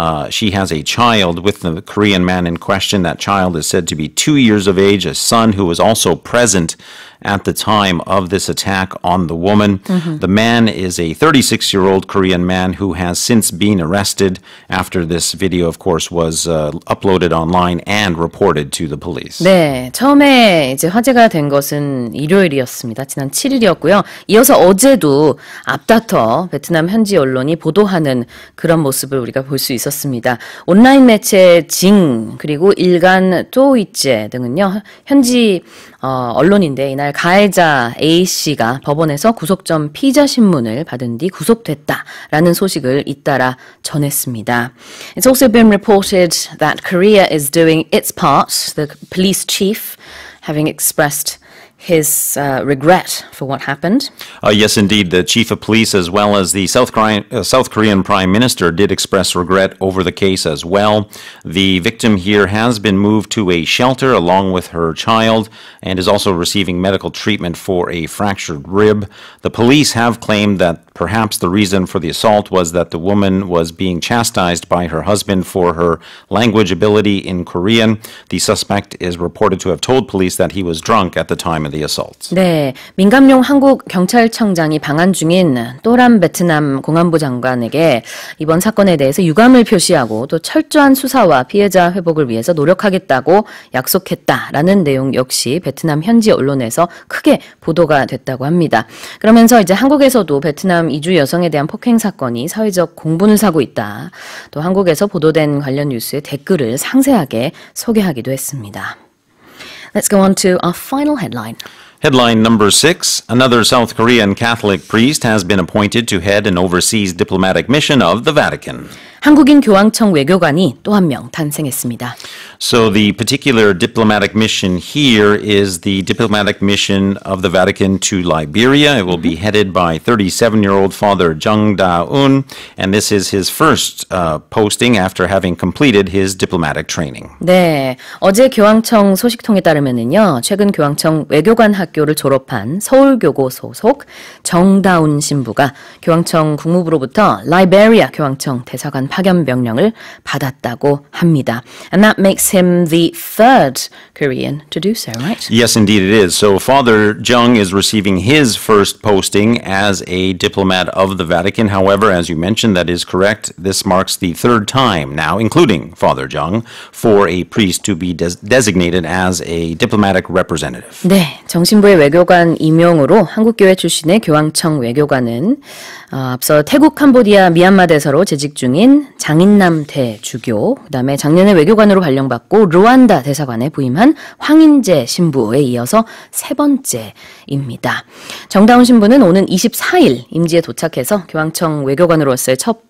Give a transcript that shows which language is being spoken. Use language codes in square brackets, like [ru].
[en] She has a child with the Korean man in question. That child is said to be 2 years of age, a son who was also present at the time of this attack on the woman. The man is a 36-year-old Korean man who has since been arrested after this video, of course, was uploaded online and reported to the police. [ko] 네, 처음에 이제 화제가 된 것은 일요일이었습니다. 지난 7일이었고요. 이어서 어제도 앞다퉈 베트남 현지 언론이 보도하는 그런 모습을 우리가 볼 수 있었습니다. 온라인 매체 징 그리고 일간 또이째 등은요, 현지 언론인데 이날 가해자 A씨가 법원에서 구속전 피자 신문을 받은 뒤 구속됐다라는 소식을 잇따라 전했습니다. [en] It's also been reported that Korea is doing its part, the police chief having expressed his regret for what happened. Yes, indeed. The chief of police as well as the South Korean prime minister did express regret over the case as well. The victim here has been moved to a shelter along with her child and is also receiving medical treatment for a fractured rib. The police have claimed that perhaps the reason for the assault was that the woman was being chastised by her husband for her language ability in Korean. The suspect is reported to have told police that he was drunk at the time of the assault. [ko] 네, 민감용 한국 경찰청장이 방한 중인 또람 베트남 공안부 장관에게 이번 사건에 대해서 유감을 표시하고 또 철저한 수사와 피해자 회복을 위해서 노력하겠다고 약속했다라는 내용 역시 베트남 현지 언론에서 크게 보도가 됐다고 합니다. 그러면서 이제 한국에서도 베트남 이주 여성에 대한 폭행 사건이 사회적 공분을 사고 있다. 또 한국에서 보도된 관련 뉴스의 댓글을 상세하게 소개하기도 했습니다. [en] Let's go on to our final headline. Headline number 6. Another South Korean Catholic priest has been appointed to head an overseas diplomatic mission of the Vatican. [ko] 한국인 교황청 외교관이 또 한 명 탄생했습니다. [en] So the particular diplomatic mission here is the diplomatic mission of the Vatican to Liberia. It will be headed by 37-year-old Father Jung Da-un, and this is his first posting after having completed his diplomatic training. [ko] 네, 어제 교황청 소식통에 따르면은요, 최근 교황청 외교관 학교를 졸업한 서울교고 소속 정다운 신부가 교황청 국무부로부터 라이베리아 교황청 대사관 파견 명령을 받았다고 합니다. [en] And that makes him the third Korean to do so, right? Yes, indeed it is. So Father Jung is receiving his first posting as a diplomat of the Vatican. However, as you mentioned, that is correct. This marks the third time now, including Father Jung, for a priest to be designated as a diplomatic representative. [ko] 네, 정신부의 외교관 임용으로 한국교회 출신의 교황청 외교관은 앞서 태국, 캄보디아, 미얀마 대사로 재직 중인 장인남 대주교, 그다음에 작년에 외교관으로 발령받고 루완다 대사관에 부임한 황인재 신부에 이어서 세 번째입니다. 정다운 신부는 오는 24일 임지에 도착해서 교황청 외교관으로서의 첫